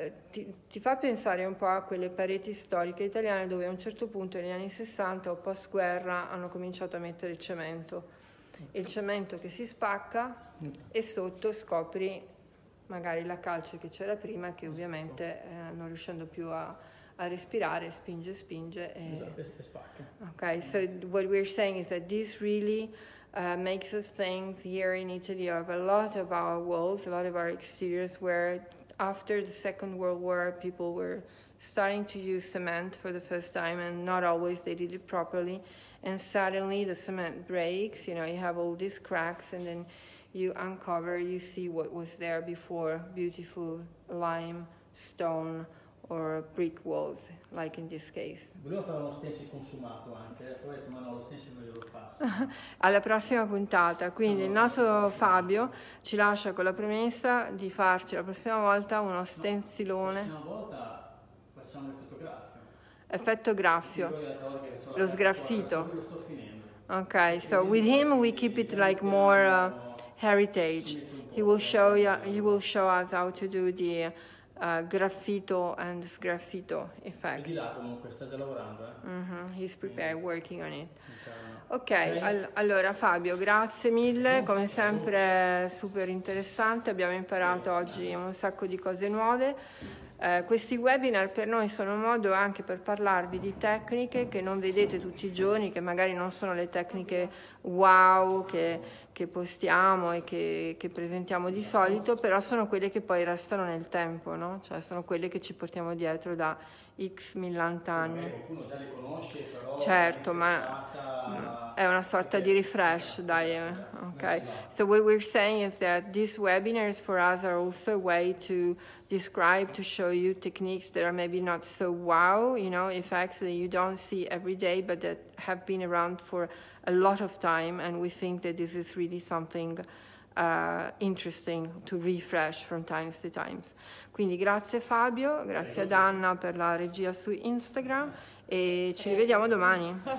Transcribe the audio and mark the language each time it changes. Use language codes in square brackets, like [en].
[it] Ti fa pensare un po' a quelle pareti storiche italiane dove a un certo punto negli anni 60 o post guerra hanno cominciato a mettere il cemento. Il cemento che si spacca e sotto scopri magari la calce che c'era prima, che ovviamente non riuscendo più a respirare spinge e spacca. [en] Ok, so what we're saying is that this really makes us think here in Italy of a lot of our walls, a lot of our exteriors where after the Second World War people were starting to use cement for the first time, and not always they did it properly, and suddenly the cement breaks, you know, you have all these cracks, and then you uncover, you see what was there before, beautiful lime, stone, or brick walls, like in this case. [it] Volevo fare uno stencil consumato anche, ho detto, ma no, lo stencil non glielo passo. Alla prossima puntata. Quindi il nostro Fabio ci lascia con la premessa di farci la prossima volta uno stencilone. La prossima volta facciamo l'effetto graffio. Effetto graffio. Lo sgraffito. Lo sto finendo. [en] Ok, so with him we keep it like more... heritage. He will show us how to do the graffito and sgraffito effect. Mm-hmm. He's prepared, working on it. [it] Okay, allora Fabio, grazie mille, come sempre super interessante, abbiamo imparato oggi un sacco di cose nuove. Questi webinar per noi sono un modo anche per parlarvi di tecniche che non vedete tutti i giorni, che magari non sono le tecniche wow che postiamo e che presentiamo di solito, però sono quelle che poi restano nel tempo, no? Cioè sono quelle che ci portiamo dietro da X millanta anni. Qualcuno già le conosce, però... Certo, ma è una sorta di refresh, dai. Okay. [en] So what we're saying is that these webinars for us are also a way to describe, to show you techniques that are maybe not so wow, you know, effects that you don't see every day, but that have been around for a lot of time, and we think that this is really something interesting to refresh from time to time. [it] Quindi grazie Fabio, grazie ad Anna per la regia su Instagram e ci rivediamo domani.